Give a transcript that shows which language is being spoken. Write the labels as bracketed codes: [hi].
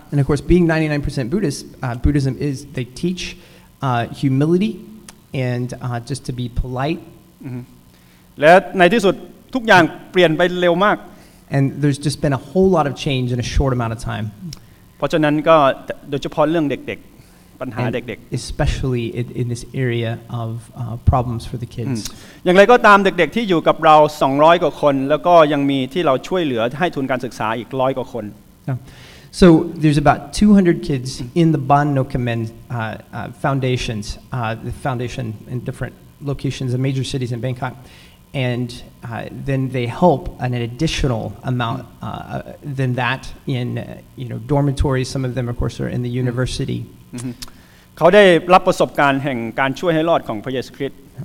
[en] And of course being 99% Buddhist Buddhism is they teach humility and just to be polite [th] และในที่สุดทุกอย่างเปลี่ยนไปเร็วมาก [en] And there's just been a whole lot of change in a short amount of time [th] เพราะฉะนั้นก็โดยเฉพาะเรื่องเด็กๆปัญหาเด็ก [en] ๆ especially in this area of problems for the kids [th] อย่างไรก็ตามเด็กๆที่อยู่กับเรา200กว่าคนแล้วก็ยังมีที่เราช่วยเหลือให้ทุนการศึกษาอีก100กว่าคน [en] So there's about 200 kids in the Baan Nokkammin foundations the foundation in different locations in major cities in Bangkok and then they help an additional amount than that in you know dormitories some of them of course are in the university [th] เขาได้รับประสบการณ์แห่งการช่วยให้รอดของพระเยซูคริสต์